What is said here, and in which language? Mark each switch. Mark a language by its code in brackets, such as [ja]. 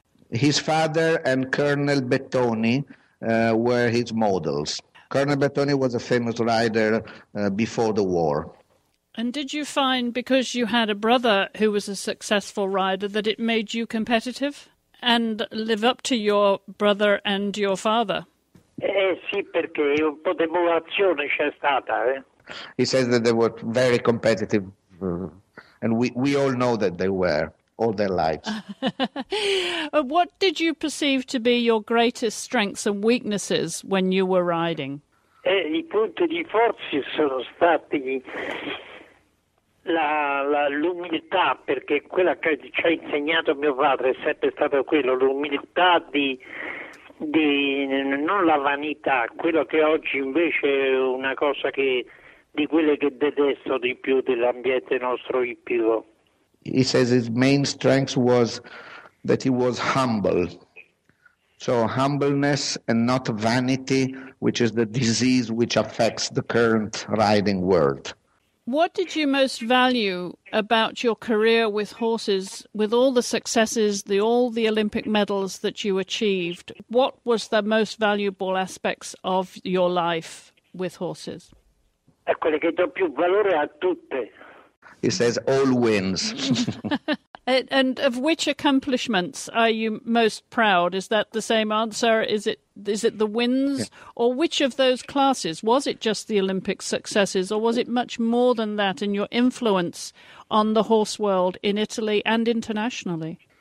[en] His father and Colonel Bettoni were his models. Colonel Bettoni was a famous rider before the war. And did you find, because you had a brother who was a successful rider, that it made you competitive and live up to your brother and your father? [it] Sì, perché un po' di emulazione c'è stata. [en] He says that they were very competitive, and we all know that they were all their lives. What did you perceive to be your greatest strengths and weaknesses when you were riding? I punti di forza sono stati l'umiltà, perché quella che ci ha insegnato mio padre è sempre stato quello, l'umiltà di non la vanità, quello che oggi invece è una cosa che di quelle che detesto di più dell'ambiente nostro ippico. He says his main strength was that he was humble. So humbleness and not vanity, which is the disease which affects the current riding world. What did you most value about your career with horses, with all the successes, all the Olympic medals that you achieved? What was the most valuable aspects of your life with horses? [it] È quelle che do più valore a tutte. [en] He says, all wins. And of which accomplishments are you most proud? Is that the same answer? Is it the wins? Yeah. Or which of those classes? Was it just the Olympic successes? Or was it much more than that in your influence on the horse world in Italy and internationally?